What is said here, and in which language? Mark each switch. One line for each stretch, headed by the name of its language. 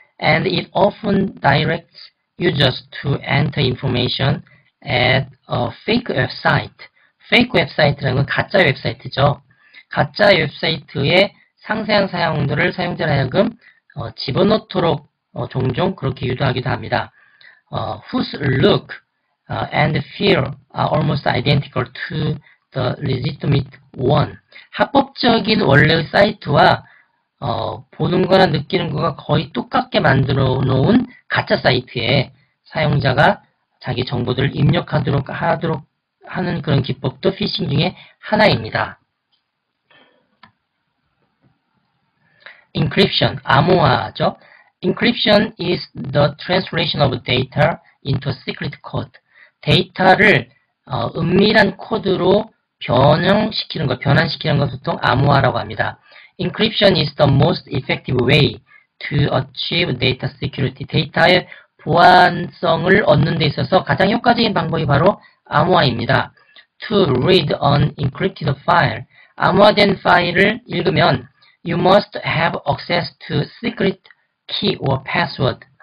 English: And it often directs users to enter information at a fake website.
Korean: Fake website라는 건 가짜 웹사이트죠. 가짜 웹사이트에 상세한 사용들을 사용자로 하여금 집어넣도록 종종 그렇게 유도하기도 합니다.
English: Whose look and feel are almost identical to the legitimate one.
Korean: 합법적인 원래의 사이트와 보는 거나 느끼는 거가 거의 똑같게 만들어 놓은 가짜 사이트에 사용자가 자기 정보들을 입력하도록 하는 그런 기법도 피싱 중에 하나입니다. Encryption, 암호화죠.
English: Encryption is the translation of data into a secret code.
Korean: 데이터를 은밀한 코드로 변환시키는 것을 보통 암호화라고 합니다.
English: Encryption is the most effective way to achieve data security.
Korean: 데이터의 보안성을 얻는 데 있어서 가장 효과적인 방법이 바로 암호화입니다.
English: To read an encrypted file.
Korean: 암호화된 파일을 읽으면
English: You must have access to secret key or password.